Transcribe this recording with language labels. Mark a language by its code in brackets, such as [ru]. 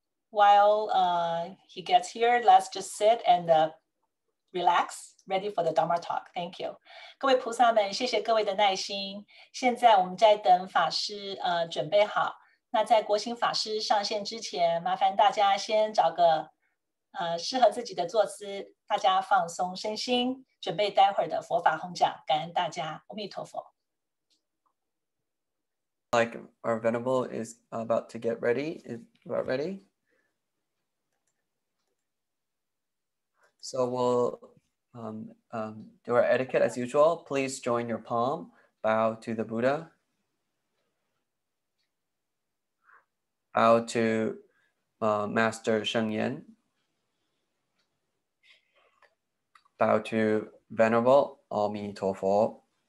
[en] While he gets here, let's just sit and relax, ready for the Dharma talk. Thank you. [zh] 各位菩萨们，谢谢各位的耐心。现在我们在等法师准备好。那在国兴法师上线之前，麻烦大家先找个适合自己的坐姿，大家放松身心，准备待会儿的佛法弘讲。感恩大家，阿弥陀佛。 [en] Like our Venerable is about to get ready. Is about ready. So we'll do our etiquette as usual. Please join your palm, bow to the Buddha, bow to Master Sheng Yan, bow to Venerable Ao Mi Tuo Fo.